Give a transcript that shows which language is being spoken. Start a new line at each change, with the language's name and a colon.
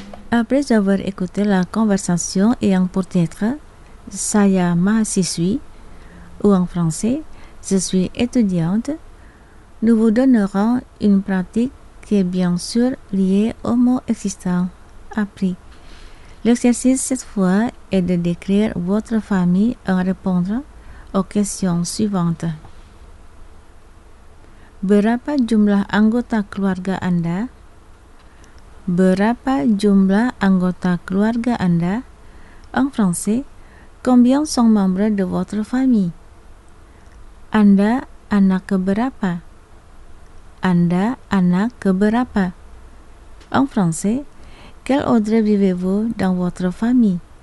French: Après avoir écouté la conversation ayant pour titre
Indonesian: Saya mahasiswi
French: ou en français Je suis étudiante, nous vous donnerons une pratique qui est bien sûr liée au mot existant appris. L'exercice cette fois est de décrire votre famille en répondant aux questions suivantes.
Indonesian: Berapa jumlah anggota keluarga Anda? Berapa jumlah anggota keluarga Anda?
French: En français, combien sont membres de votre famille?
Indonesian: Anda anak keberapa? Anda anak keberapa?
French: En français, quel ordre vivez-vous dans votre famille?